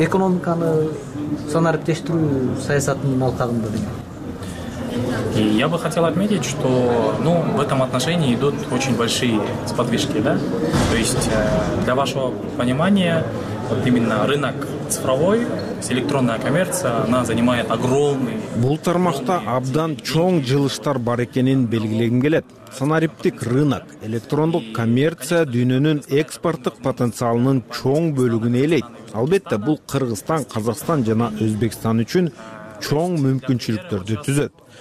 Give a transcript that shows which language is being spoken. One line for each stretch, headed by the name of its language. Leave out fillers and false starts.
Kyrgyz: Экономиканы санариптештирүү саясатынын алкагында деген.
Russian: И я бы хотел отметить, что ну, в этом отношении идут очень большие сподвижки, да? То есть для вашего понимания, вот именно рынок цифровой, электронная коммерция, она занимает огромный...
Kyrgyz: Бул тармакта абдан чоң жылыштар бар экенин белгилегим келет. Санариптик рынок, электрондук коммерция дүйнөнүн экспорттук потенциалынын чоң бөлүгүн ээлейт. Албетте, бул Кыргызстан, Казакстан жана Өзбекстан үчүн чоң мүмкүнчүлүктөрдү түзөт.